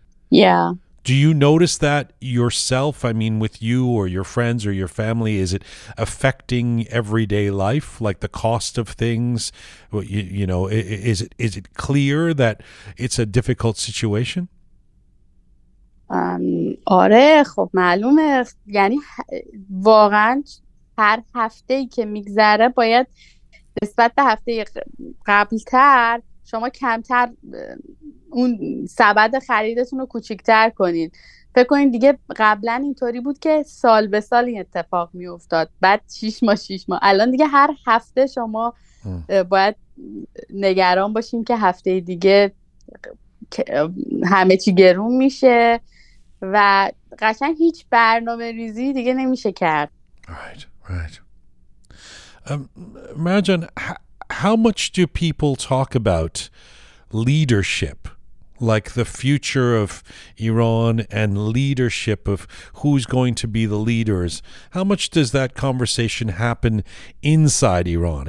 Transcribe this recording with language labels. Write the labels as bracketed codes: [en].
[en] Yeah. Do you notice that yourself? I mean, with you or your friends or your family, is it affecting everyday life, like the cost of things? You know, is it clear that it's a difficult situation? [fa] آره خب معلومه، یعنی واقعا هر هفته ای که میگذره باید نسبت به هفته قبلتر شما کمتر اون سبد خریدتون رو کوچیکتر کنین. فکر کنین دیگه قبلا اینطوری بود که سال به سال این اتفاق میافتاد، بعد شیش ماه، الان دیگه هر هفته شما باید نگران باشین که هفته دیگه همه چی گرون میشه و قشنگ هیچ برنامه ریزی دیگه نمیشه کرد. [en] Marjan, how much do people talk about leadership, like the future of Iran and leadership of who's going to be the leaders? How much does that conversation happen inside Iran?